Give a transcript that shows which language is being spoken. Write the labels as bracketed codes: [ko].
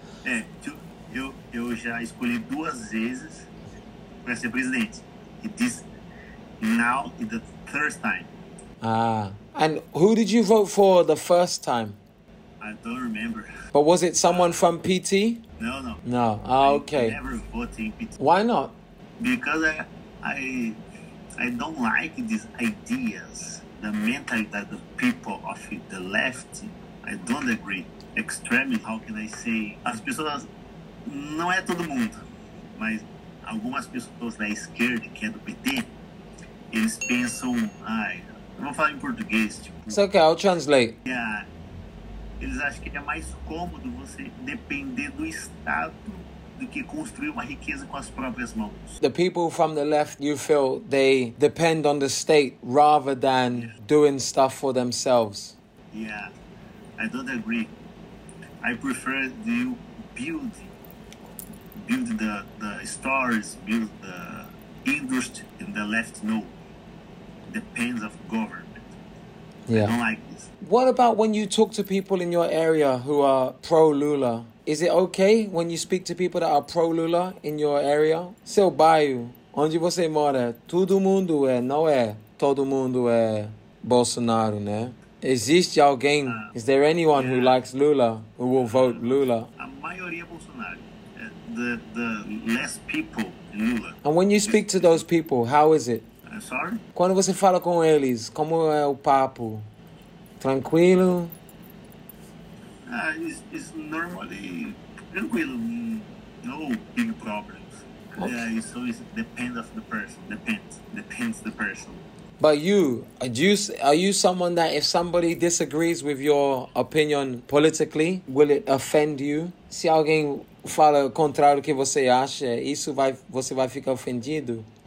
[pt] É, eu já escolhi duas vezes para ser presidente. [en] It is now the third time. Ah. And who did you vote for the first time? I don't remember. But was it someone from PT? No. Oh, okay. I never voted in PT. Why not? Because I don't like these ideas, the mentality that the people of the left, I don't agree. Extreme, how can I say? [pt] As pessoas, não é todo mundo, mas algumas pessoas da esquerda, que é do PT, eles pensam, ai, eu vou falar em português, tipo... [en] It's okay, I'll translate. [pt] Eles acham que é mais cômodo você depender do Estado do que construir uma riqueza com as próprias mãos. [en] The people from the left, you feel, they depend on the state rather than doing stuff for themselves. Yeah, I don't agree. I prefer you build the stores, build the industry, and the left, no. Depends of government. Yeah. I don't like this. What about when you talk to people in your area who are pro Lula? Is it okay when you speak to people that are pro Lula in your area? [pt] Seu bairro, onde você mora, todo mundo é, não é? Todo mundo é Bolsonaro, né? Existe alguém? [en] Is there anyone who likes Lula who will vote Lula? [pt] A maioria é Bolsonaro. [en] The less people Lula. And when you speak to those people, how is it? Sorry? [pt] Quando você fala com eles, como é o papo? Tranquilo? [en] It's normally tranquilo. No big problems. Okay. So it depends on the person. Depends the person. But you, are you someone that if somebody disagrees with your opinion politically, will it offend you? [pt] Se alguém fala o contrário do que você acha, isso vai, você vai ficar ofendido?